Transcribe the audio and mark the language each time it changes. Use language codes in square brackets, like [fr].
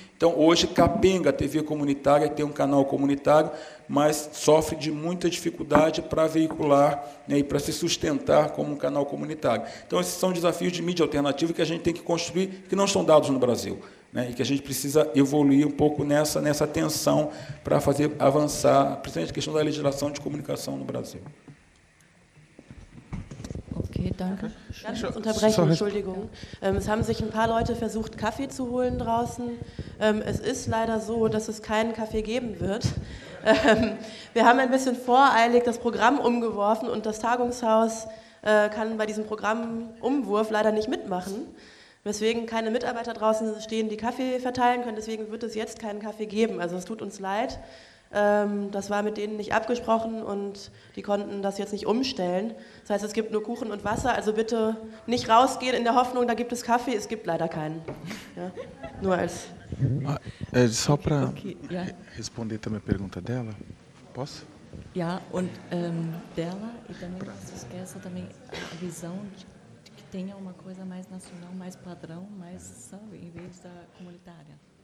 [pt] Então, hoje, capenga a TV comunitária, tem um canal comunitário, mas sofre de muita dificuldade para veicular, né, e para se sustentar como um canal comunitário. Então, esses são desafios de mídia alternativa que a gente tem que construir, que não estão dados no Brasil, né, e que a gente precisa evoluir um pouco nessa tensão para fazer avançar, principalmente a questão da legislação de comunicação no Brasil. [de] Ok. Okay, danke. Ich darf unterbrechen, Entschuldigung. Es haben sich ein paar Leute versucht, Kaffee zu holen draußen. Es ist leider so, dass es keinen Kaffee geben wird. Wir haben ein bisschen voreilig das Programm umgeworfen und das Tagungshaus kann bei diesem Programmumwurf leider nicht mitmachen, weswegen keine Mitarbeiter draußen stehen, die Kaffee verteilen können. Deswegen wird es jetzt keinen Kaffee geben. Also es tut uns leid. Das war mit denen nicht abgesprochen und die konnten das jetzt nicht umstellen. Das heißt, es gibt nur Kuchen und Wasser, also bitte nicht rausgehen in der Hoffnung, da gibt es Kaffee, es gibt leider keinen. Ja? Nur als... [pt] Só para responder também a pergunta dela, posso? [de] Ja, und [pt] dela, e também não se esqueça também a visão de que tenha uma coisa mais nacional, mais padrão, mais, sabe, em vez da comunitária.